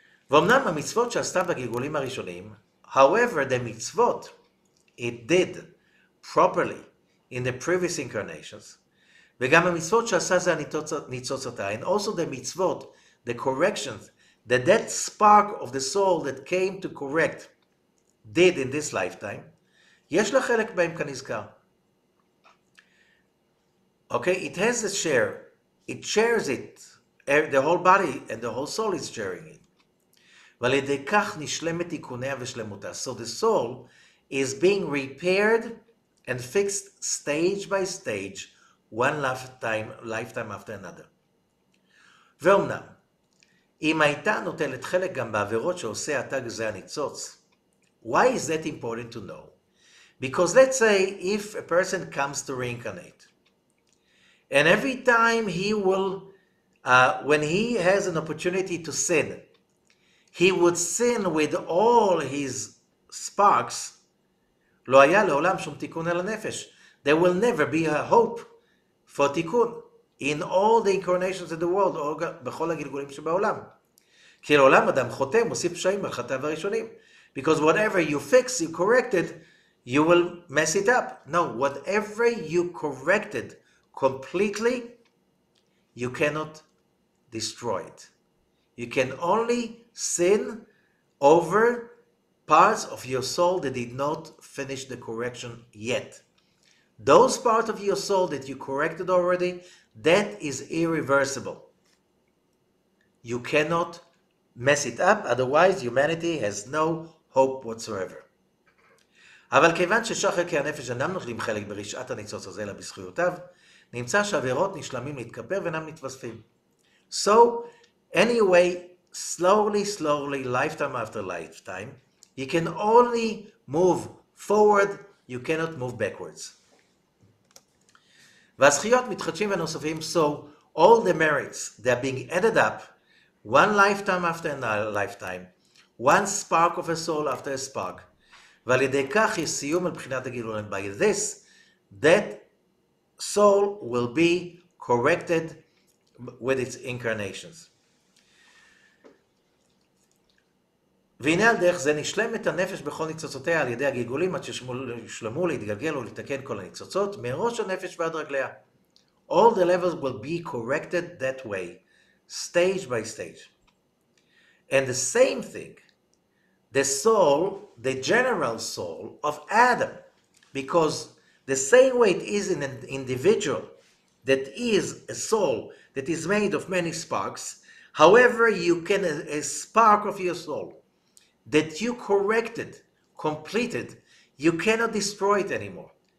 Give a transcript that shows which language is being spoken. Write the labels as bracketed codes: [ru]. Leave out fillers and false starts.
[he] ואומנם המצוות שעשתה בגלגולים הראשונים, [en] however, the מצוות, it did properly in the previous incarnations, [he] וגם המצוות שעשה זה הניצוצותה, [en] and also the מצוות, the corrections, that that spark of the soul that came to correct did in this lifetime, [he] יש לה חלק בהם כנזכר. [en] Okay, it has a share, it shares it, the whole body and the whole soul is sharing it. [he] ועל ידי כך נשלמת תיקוניה ושלמותה. [en] So the soul is being repaired and fixed stage by stage, one lifetime, lifetime after another. [he] ואומנם, אם הייתה נוטלת חלק גם בעבירות שעושה עתג זה הניצוץ, [en] why is that important to know? Because let's say if a person comes to reincarnate, and every time he will, when he has an opportunity to sin, he would sin with all his sparks, [he] לא היה לעולם שום תיקון על הנפש. [en] There will never be a hope for תיקון in all the incarnations of the world, or [he] בכל הגלגולים שבעולם. כי לעולם אדם חוטא, מוסיף פשעים על חטאיו הראשונים. [en] Because whatever you fix, you corrected, you will mess it up. No, whatever you corrected completely, you cannot destroy it. You can only sin over parts of your soul that did not finish the correction yet. Those parts of your soul that you corrected already, that is irreversible. You cannot mess it up, otherwise humanity has no hope whatsoever. [he] אבל כיוון ששאר חלקי הנפש אינם נוטלים חלק ברשעת הניצוץ הזה אלא בזכויותיו, נמצא שעבירות נשלמים להתכפר ואינם מתווספים. [en] So, anyway, slowly, slowly, lifetime after lifetime, you can only move forward, you cannot move backwards. [he] והזכיות מתחדשים ונוספים, [en] so all the merits that are being added up, one lifetime after another lifetime, one spark of a soul after a spark, [he] ועל ידי כך יש סיום על בחינת הגילוי, [en] and by this, that soul will be corrected with its incarnations. [he] והנה על דרך זה נשלמת הנפש בכל ניצוצותיה על ידי הגלגולים עד שישלמו להתגלגל ולתקן כל הניצוצות מראש הנפש ועד רגליה. [en] All the levels will be corrected that way, stage by stage. And the same thing, the soul, the general soul of Adam, because the same way it is in an individual that is a soul that is made of many sparks, however you can, a spark of your soul that you corrected, completed, you cannot destroy it anymore.